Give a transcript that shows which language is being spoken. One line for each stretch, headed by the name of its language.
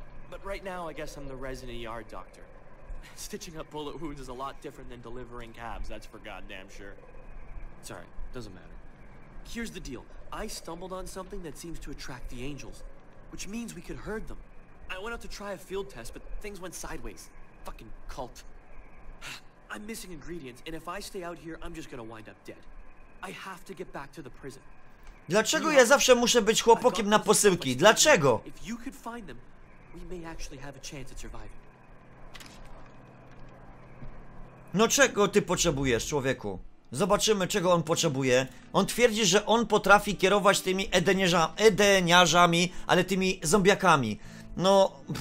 English: But right now, I guess I'm the resident ER doctor. Stitching up bullet wounds is a lot different than delivering cabs, that's for goddamn sure. Sorry, doesn't matter. Here's the deal. I stumbled on something that seems to attract the angels, which means we could herd them. I went out to try a field test, but things went sideways. Fucking cult. I'm missing ingredients, and if I stay out here, I'm just gonna wind up dead. I have to get back to the prison.
Polish: Dlaczego ja zawsze muszę być chłopakiem na posyłki? Dlaczego?
English: If you could find them, we may actually have a chance at surviving.
Polish: No czego ty potrzebujesz, człowieku? Zobaczymy, czego on potrzebuje. On twierdzi, że on potrafi kierować tymi edeniarzami, ale tymi zombiakami. No...